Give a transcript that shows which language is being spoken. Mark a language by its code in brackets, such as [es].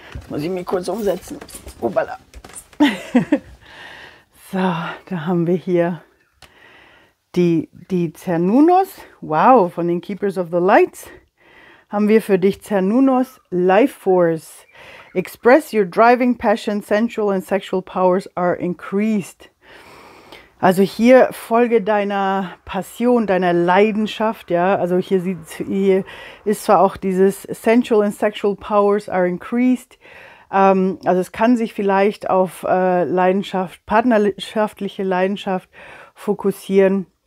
[de] Muss ich mich kurz umsetzen. Obala. So, da haben wir hier die Cernunnos. Wow, von den Keepers of the Lights haben wir für dich Cernunnos Life Force. [en] Express your driving passion, sensual and sexual powers are increased. [de] Also hier folge deiner Passion, deiner Leidenschaft, ja. Also hier ist zwar auch dieses [en] sensual and sexual powers are increased. [de] Also es kann sich vielleicht auf Leidenschaft, partnerschaftliche Leidenschaft fokussieren.